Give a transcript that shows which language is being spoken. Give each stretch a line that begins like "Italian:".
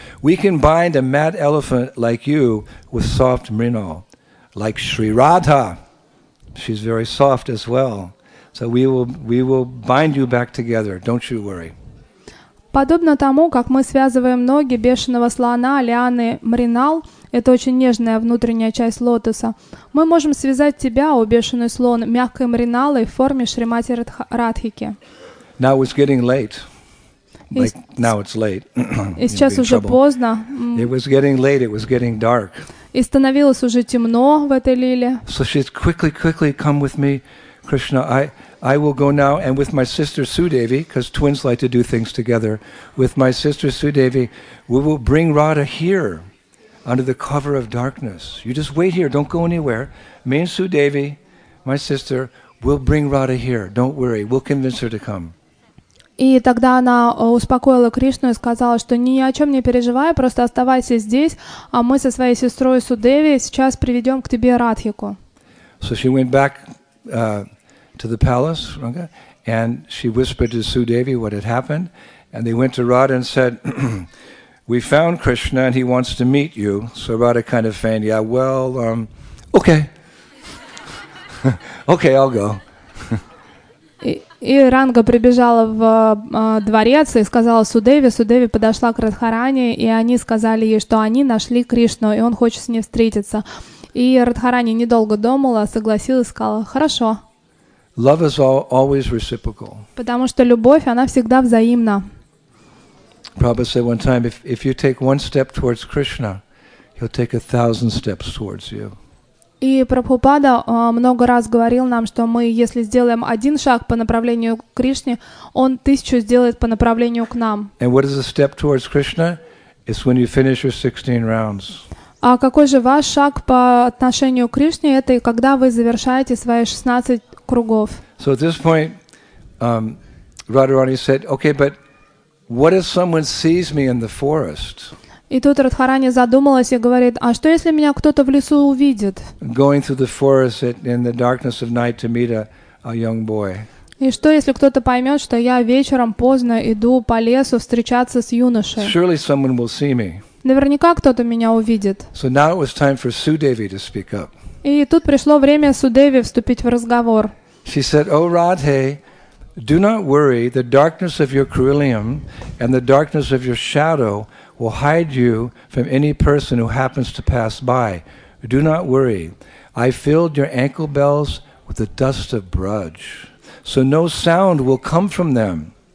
English: We can bind a mad elephant like you with soft Mrinal, like Sri Radha. She's very soft as well. So we will bind you back together. Don't you worry.
Russian: Подобно тому, как мы связываем ноги бешеного слона, лианы, мринал, это очень нежная внутренняя часть лотоса, мы можем связать тебя, о бешеный слон, мягкой мриналой в форме Шримати Радхики.
English: Now it's getting late. Like, now it's late.
Russian: И сейчас уже поздно.
English: It was getting late, it was getting dark.
Russian: И становилось уже темно в этой лиле.
English: So she's quickly, quickly come with me, Krishna. I will go now, and with my sister Sudevi, because twins like to do things together, with my sister Sudevi, we will bring Radha here, under the cover of darkness. You just wait here, don't go anywhere. Me and Sudevi, my sister, will bring Radha here, don't worry, we'll convince her to come.
Russian: И тогда она успокоила Кришну и сказала, что ни о чем не переживай, просто оставайся здесь, а мы со своей сестрой Судеви сейчас приведем к тебе Радхику.
English: So she went back to the palace, Ranga, and she whispered to Sudevi what had happened, and they went to Radha and said, we found Krishna and he wants to meet you. So Radha kind of feigned, yeah, well, okay. Okay, I'll go.
Russian: И Ранга прибежала в дворец и сказала Судеви. Судеви подошла к Радхарани, и они сказали ей, что они нашли Кришну, и он хочет с ней встретиться. И Радхарани недолго думала, согласилась, сказала, хорошо.
English: Love is always reciprocal.
Russian: Потому что любовь, она всегда взаимна.
English: Prabhupada said one time, if you take one step towards Krishna, he'll take 1,000 steps towards you.
Russian: И Прабхупада много раз говорил нам, что мы, если сделаем один шаг по направлению к Кришне, он тысячу сделает по направлению к нам.
English: And what is the step towards Krishna? It's when you finish your 16 rounds.
Russian: А какой же ваш шаг по отношению к Кришне? Это когда вы завершаете свои 16 кругов.
English: So at this point, Радхарани said, "Okay, but what if someone sees me in the forest?"
Russian: И тут Радхарани задумалась и говорит: "А что, если меня кто-то в лесу увидит?"
English: Going through the forest in the darkness of night to meet a young boy.
Russian: И что, если кто-то поймет, что я вечером поздно иду по лесу встречаться с юношей?
English: Surely someone will see me.
Russian: Наверняка кто-то меня увидит.
English: So now it was time for Sudevi to speak up.
Russian: И тут пришло время Судеви вступить в разговор.
English: She said, "Oh, Radhe, do not worry. The darkness of your Kurilium and the darkness of your shadow will hide you from any person who happens to pass by. Do not worry. I filled your ankle bells with the dust of Braj, so no sound will come from them.